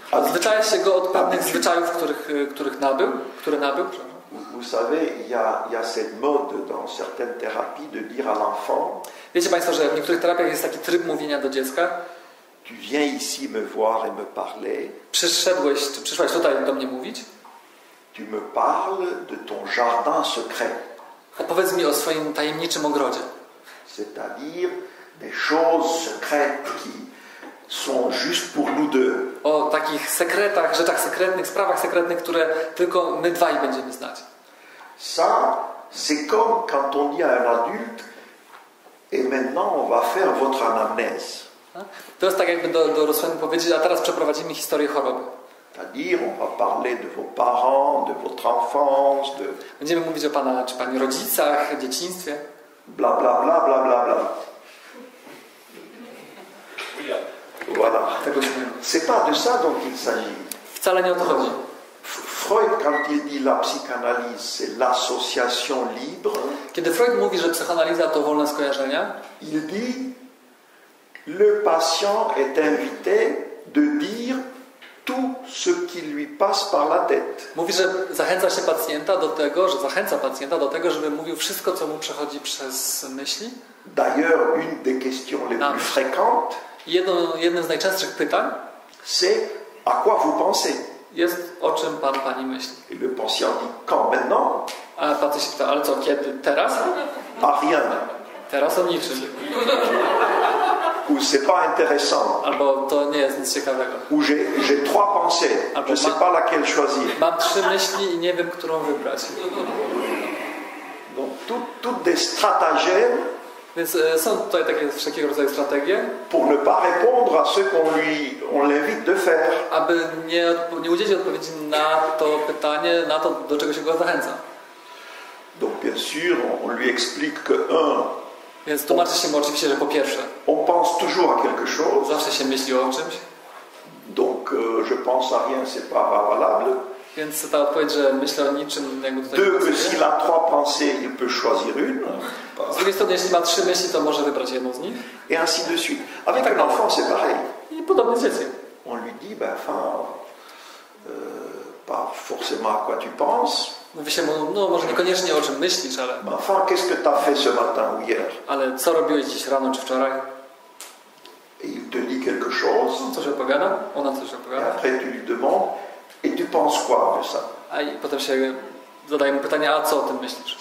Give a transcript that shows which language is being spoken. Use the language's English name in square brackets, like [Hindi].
[Polish] Zwyczaja się go od pewnych zwyczajów, których nabył, które nabył. [French] Vous savez, il y a cette mode dans certaines thérapies de dire à l'enfant. [Polish] Wiecie państwo, że w niektórych terapiach jest taki tryb mówienia do dziecka. [French] Tu viens ici me voir et me parler. [Polish] Przyszłeś tutaj do mnie mówić. [French] Tu me parles de ton jardin secret. [Polish] Opowiedz mi o swoim tajemniczym ogrodzie. [French] C'est-à-dire des choses secrètes qui sont juste pour nous deux. [Polish] O takich sekretach, rzeczach sekretnych, sprawach sekretnych, które tylko my dwaj będziemy znać. [French] Ça, c'est comme quand on dit à un adulte, et maintenant on va faire votre anamnèse. [Polish] To jest tak, jakby do dorosłego powiedzieć, a teraz przeprowadzimy historię choroby. [French] C'est-à-dire, on va parler de vos parents, de votre enfance, de... [Polish] Będziemy mówić o pana czy pani rodzicach, dzieciństwie. Bla, bla, bla, bla, bla, bla. [French] Voilà. C'est pas de ça dont il s'agit. [Polish] Wcale nie o to chodzi. [French] Freud, quand il dit la psychanalyse, c'est l'association libre. [Polish] Kiedy Freud mówi, że psychanalyza to wolne skojarzenia, [French] il dit le patient est invité de dire tout ce qui lui passe par la tête. [Polish] Mówi, że zachęca się pacjenta do tego, że zachęca pacjenta do tego, żeby mówił wszystko, co mu przechodzi przez myśli. [French] D'ailleurs, une des questions les plus fréquentes. [Polish] Jednym z najczęstszych pytań [French] c'est à quoi vous pensez? [Polish] Jest o czym pan pani myśli. [French] Et le patient dit quand maintenant? [Polish] A pacjent się pyta, ale co kiedy? Teraz? [French] A rien. [Polish] Teraz o niczym. [French] Ou c'est pas intéressant. [Polish] Albo to nie jest nic ciekawego. [French] Ou j'ai trois pensées. [Polish] Albo [French] je sais pas laquelle choisir. [Polish] Mam trzy myśli i nie wiem, którą wybrać. [French] Donc tout des stratagèmes. [Polish] Więc są tutaj takie wszelkiego rodzaju strategie. [French] Pour ne pas répondre à ce qu'on lui, on l'invite de faire. [Polish] Aby nie udzielić odpowiedzi na to pytanie, na to, do czego się go zachęca. [French] Donc bien sûr, on lui explique que un. [Polish] Więc tłumaczy się mu oczywiście, że po pierwsze. [French] On pense toujours à quelque chose. [Polish] Zawsze się myśli o czymś. [French] Donc je pense à rien, c'est pas valable. [Polish] Więc ta odpowiedź, że myślę o niczym, jakby tutaj. [French] Deux, que s'il a trois pensées, il peut choisir une. [Polish] Z drugiej strony, jeśli ma trzy myśli, to może wybrać jedną z nich. [French] Et ainsi de suite. Avec un enfant, c'est pareil. [Polish] I podobnie z dzieckiem. [French] On lui dit, ben, enfin, pas forcément à quoi tu penses. [Polish] Mówi się mu, no może niekoniecznie o czym myślisz, ale. [French] Ma enfin, qu'est-ce que t'as fait ce matin ou hier? [Polish] Ale co robiłeś dziś rano czy wczoraj? [French] Et il te dit quelque chose. [Polish] On coś opowiada? Ona coś opowiada. [French] Et après tu lui demandes, et tu penses quoi de ça? [Polish] A i potem się zadaje mu pytanie, a co o tym myślisz?